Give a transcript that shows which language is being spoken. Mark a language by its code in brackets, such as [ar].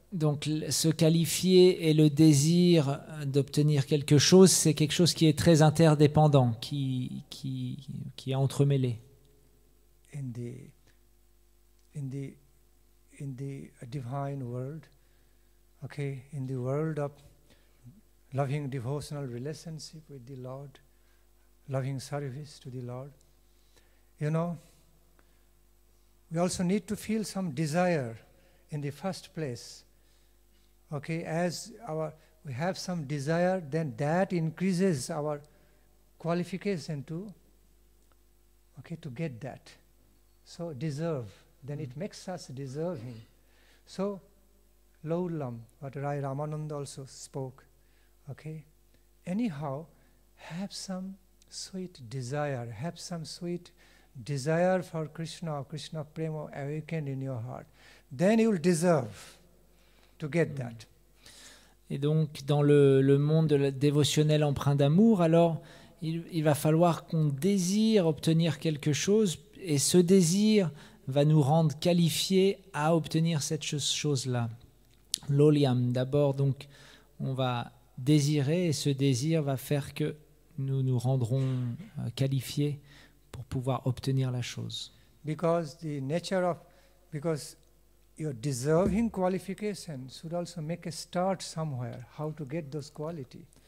[fr] Donc se qualifier et le désir d'obtenir quelque chose, c'est quelque chose qui est très interdépendant, qui est entremêlé. [en] In the divine world, okay, in the world of loving devotional relationship with the Lord, loving service to the Lord, you know, we also need to feel some desire in the first place. Okay, as we have some desire, then that increases our qualification to get that. So deserve, then it makes us deserving. So Laulam, what Rai Ramananda also spoke, okay, anyhow, have some sweet desire, have some sweet desire for Krishna, Krishna prema awakened in your heart, then you will deserve to get that. [fr] Et donc dans le monde dévotionnel empreint d'amour, alors il va falloir qu'on désire obtenir quelque chose, et ce désir va nous rendre qualifiés à obtenir cette chose-là. Loliam, d'abord donc on va désirer, et ce désir va faire que nous nous rendrons qualifiés pour pouvoir obtenir la chose. [en] Because your deserving qualification should also make a start somewhere, how to get those qualities.